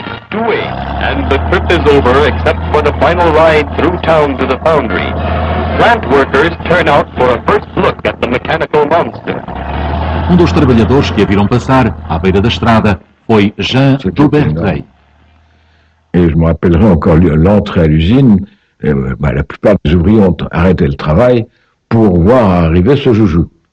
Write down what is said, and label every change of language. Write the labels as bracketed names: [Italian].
[English] And the trip is over except for the final ride through town to the foundry. Plant workers turn out for a first look at the mechanical monster. [Portuguese] Um dos trabalhadores que a viram passar à beira da estrada foi Jean Dubertrey. [French] Et je me rappellerai encore l'entrée à l'usine, la plupart des ouvriers ont arrêté le travail pour voir arriver ce joujou.